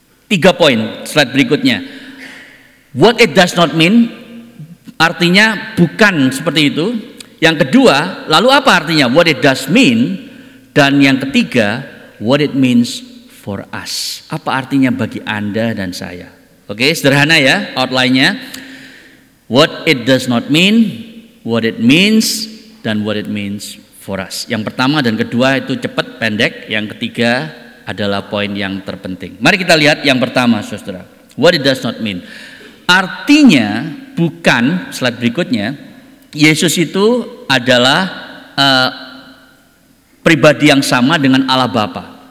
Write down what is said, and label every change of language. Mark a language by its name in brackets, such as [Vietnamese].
[Indonesian] 3 poin slide berikutnya. [English] What it does not mean, [Indonesian] artinya bukan seperti itu. Yang kedua, lalu apa artinya? [English] What it does mean, [Indonesian] dan yang ketiga, [English] what it means for us. [Indonesian] Apa artinya bagi Anda dan saya? Oke, sederhana ya outline-nya. [English] What it does not mean, what it means, dan what it means for us. [Indonesian] Yang pertama dan kedua itu cepat, pendek. Yang ketiga adalah poin yang terpenting. Mari kita lihat yang pertama, saudara. [English] What it does not mean. [Indonesian] Artinya bukan, slide berikutnya, Yesus itu adalah pribadi yang sama dengan Allah Bapa.